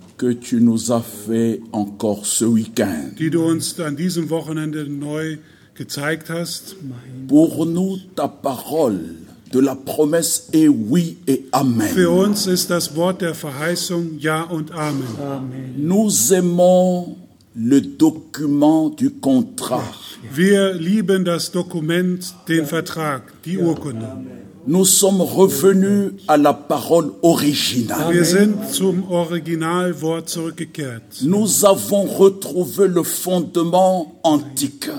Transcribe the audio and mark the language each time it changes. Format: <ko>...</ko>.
<fr>Que tu nous as fait encore ce week-end.</fr> <de>Die du uns an diesem Wochenende neu gezeigt hast.</de> <fr>Pour nous, ta parole de la promesse est oui et amen.</fr> <de>Für uns ist das Wort der Verheißung ja und amen. Amen.</de> <fr>Nous aimons le document du contrat.</fr> <de>Wir lieben das Dokument, den Vertrag, die Urkunde. Amen.</de> <fr>Nous sommes revenus à la parole originale.</fr> <de>Wir sind zum Originalwort zurückgekehrt.</de> <fr>Nous avons retrouvé le fondement antique.</fr>